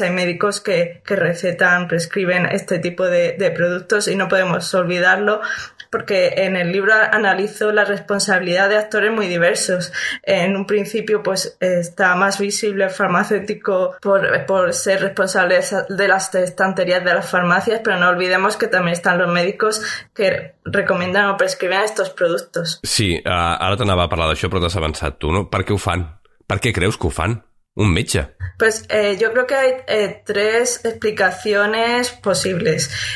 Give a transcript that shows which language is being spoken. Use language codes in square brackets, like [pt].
[es] Hay médicos que recetan, prescriben este tipo de productos y no podemos olvidarlo, porque en el libro analizo la responsabilidad de actores muy diversos. En un principio pues está más visible el farmacéutico por ser responsable de las estanterías de las farmacias, pero no olvidemos que también están los médicos que recomiendan o prescriben estos productos. [ca] Sí, ara t'anava a parlar d'això, però t'has avançat tu, no? Per què ho fan? Per què creus que ho fan? Un metge. [es] Pues yo creo que hay tres explicaciones posibles.